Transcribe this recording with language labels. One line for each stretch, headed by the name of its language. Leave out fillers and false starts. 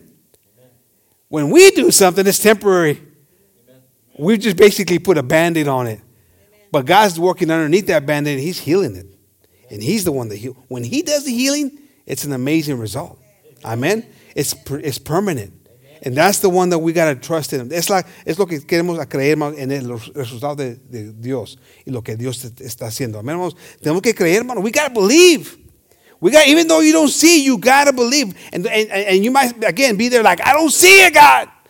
English: Amen. When we do something, it's temporary. Amen. We just basically put a band-aid on it. But God's working underneath that band-aid, and he's healing it. And he's the one that heals. When he does the healing, it's an amazing result. Amen? It's permanent. And that's the one that we got to trust in.
Spanish: Es lo que queremos creer en el resultado de Dios y lo que Dios está haciendo. Amen, hermanos? Tenemos que creer, hermano.
English: We got to believe. Even though you don't see, you got to believe. And you might, again, be there like, I don't see it, God.